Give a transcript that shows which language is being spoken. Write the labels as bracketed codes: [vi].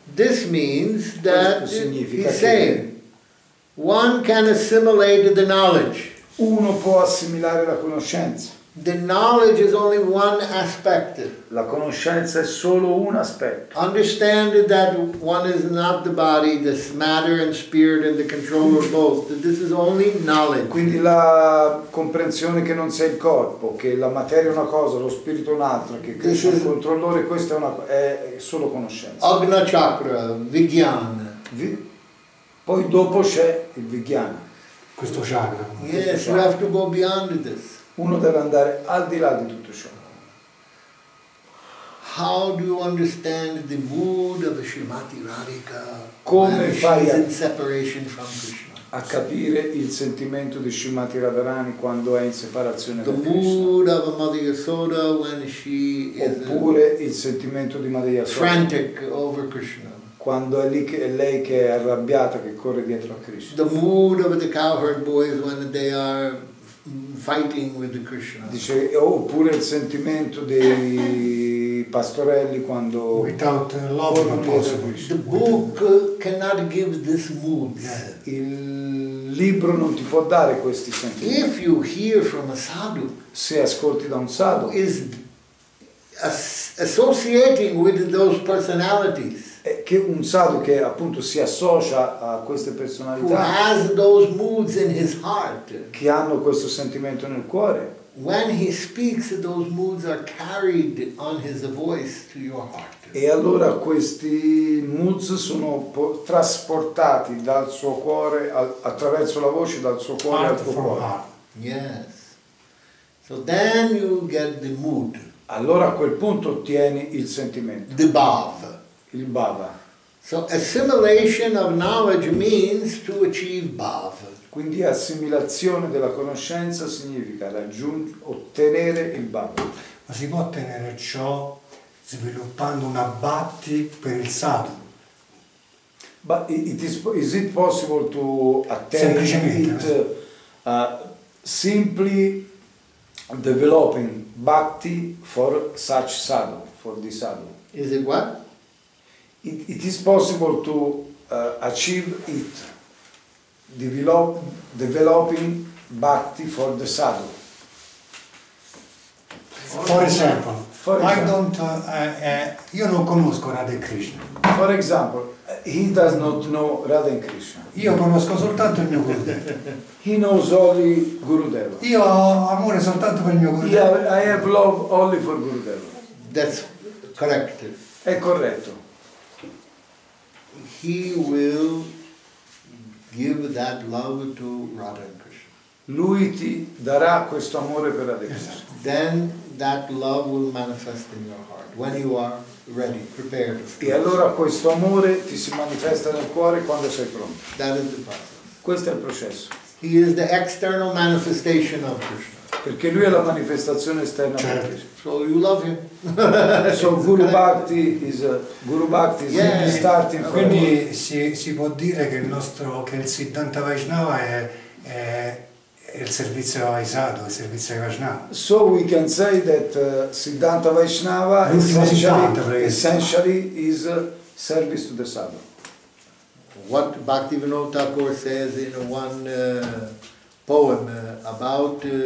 [en] This means that he's saying one can assimilate the knowledge. [it] Uno può assimilare la conoscenza. [en] The knowledge is only one aspect. [it] La conoscenza è solo un aspetto. [en] Understand that one is not the body, this matter and spirit and the controller both. That this is only knowledge. [it] Quindi la comprensione che non sei il corpo, che la materia è una cosa, lo spirito un'altra, che Krishna è il controllore, questa è solo conoscenza. [sa] Agna chakra, vigyan. [it] Poi dopo c'è il vigyan. Questo chakra. [en] Yes, you have to go beyond this. [it] Uno deve andare al di là di tutto ciò. [en] How do you understand the mood of the Srimati Radhika? [it] Come fai [en] in separation from Krishna? [it] A capire il sentimento di Srimati Radharani quando è in separazione [en] the [it] da Krishna. [en] Mood of Mother Yasoda when she is [it] oppure il sentimento di Madre Yasoda [en] frantic over Krishna. [it] Quando è lì che è lei che è arrabbiata che corre dietro a Krishna. [en] The mood of the cowherd boys when they are fighting with the Krishna. [it] Dice oppure il sentimento dei pastorelli quando [en] without love not possible. The book cannot give this mood. Yeah. [it] Il libro non ti può dare questi sentimenti. [en] If you hear from a sadhu, [it] se ascolti da un sadhu, [en] is associating with those personalities. [it] Che un sadhu che appunto si associa a queste personalità [en] who has those moods in his heart, [it] che hanno questo sentimento nel cuore, [en] when he speaks those moods are carried on his voice to your heart. [it] E allora questi moods sono trasportati dal suo cuore attraverso la voce dal suo cuore [en] heart [it] al tuo cuore [en] heart. Yes, so then you get the mood. [it] Allora a quel punto ottieni il sentimento [en] the bhav. [it] Il bhava. [en] So assimilation of knowledge means to achieve bhava. [it] Quindi assimilazione della conoscenza significa ottenere il bhava. Ma si può ottenere ciò sviluppando un abbatti per il sadhu? [en] But is it possible to attain it simply developing bhakti for such sadhu, for the sadhu? Is it what? It is possible to achieve it, developing bhakti for the sadhu. For example, I don't, [it] io non conosco [en] Radha Krishna. For example, he does not know Radha Krishna. [it] Io conosco soltanto il mio Gurudeva. [en] He knows only Gurudeva. [it] Io ho amore soltanto per il mio Gurudeva. [en] I have love only for Gurudeva. That's correct. [it] È corretto. [en] He will give that love to Radha Krishna. [it] Lui ti darà questo amore per Radha Krishna. [en] Yes. Then that love will manifest in your heart when you are ready, prepared. [it] E allora questo amore ti si manifesta nel cuore quando sei pronto. [en] That is the process. [it] Questo è il processo. [en] He is the external manifestation of Krishna. [it] Perché lui è la manifestazione esterna. Certo. [en] So you love him. So Guru Bhakti is a, Guru Bhakti is yeah, starting. [it] Quindi si può dire che il Siddhanta Vaishnava è il servizio ai sadhu, il servizio ai Vaishnava. [en] So we can say that Siddhanta Vaishnava essentially is service to the sadhu. What Bhaktivinoda Thakur says in one poem about